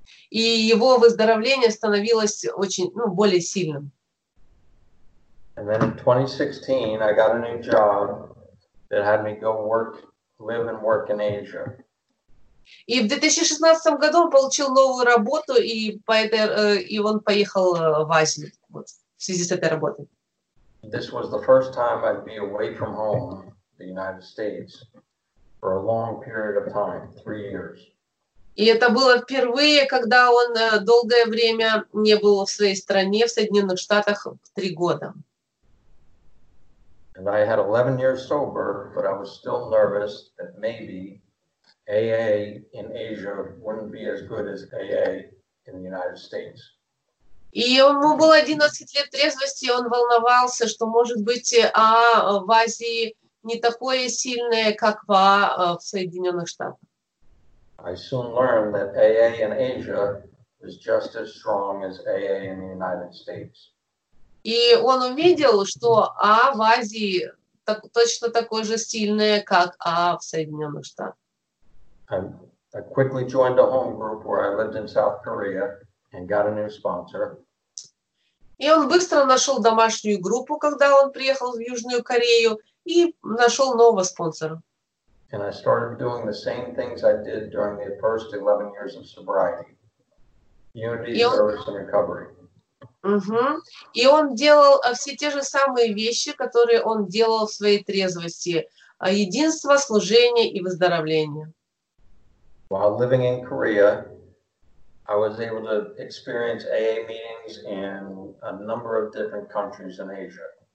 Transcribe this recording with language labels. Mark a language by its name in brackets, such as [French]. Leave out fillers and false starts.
[Russian] И его выздоровление становилось очень, ну, более сильным. [English] And then in 2016, I got a new job that had me go work, live and work in Asia. [Russian] И в 2016 году он получил новую работу, и по этой, и он поехал в Азию, вот, в связи с этой работой. [English] This was the first time I'd be away from home, the United States, for a long period of time, 3 years. [Russian] И это было впервые, когда он долгое время не был в своей стране, в Соединенных Штатах, 3 года. [English] And I had 11 years sober, but I was still nervous that maybe AA in Asia wouldn't be as good as AA in the United States. [Russian] И ему было 11 лет трезвости, и он волновался, что, может быть, АА в Азии не такое сильное, как в АА в Соединенных Штатах. [English] I soon learned that AA in Asia is just as strong as AA in the United States. [Russian] И он увидел, что А в Азии так, точно такое же сильное, как А в Соединенных Штатах. [English] I quickly joined a home group where I lived in South Korea and got a new sponsor. [Russian] И он быстро нашел домашнюю группу, когда он приехал в Южную Корею, и нашел нового спонсора. [English] And I started doing the same things I did during the first 11 years of sobriety. Unity, service, and recovery. [Russian] И он делал все те же самые вещи, которые он делал в своей трезвости. Единство, служение и выздоровление. [English] While living in Korea, I was able to experience AA meetings in a number of different countries in Asia.